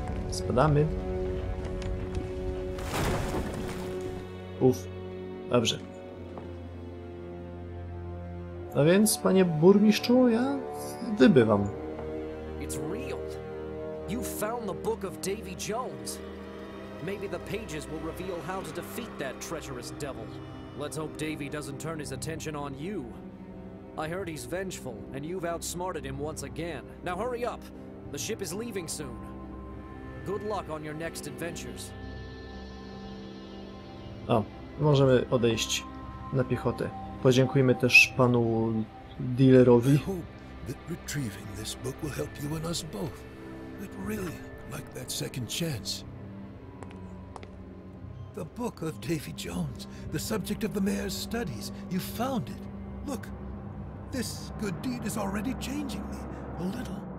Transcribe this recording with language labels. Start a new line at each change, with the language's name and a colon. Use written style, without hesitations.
Polish: Spadamy. Uff. Dobrze. No więc, panie burmistrzu, ja wybywam.
English: It's real. You found the book of Davy Jones. Maybe the pages will reveal how to defeat that treacherous devil. Let's hope Davy doesn't turn his attention on you. I heard he's vengeful, and you've outsmarted him once again. Now hurry up. The ship is leaving soon. Good luck on your next adventures.
Polish: O, możemy odejść na piechotę. Podziękujmy też panu dealerowi.
English: That retrieving this book will help you and us both. I'd really like that second chance. The book of Davy Jones, the subject of the mayor's studies. You found it. Look, this good deed is already changing me a little.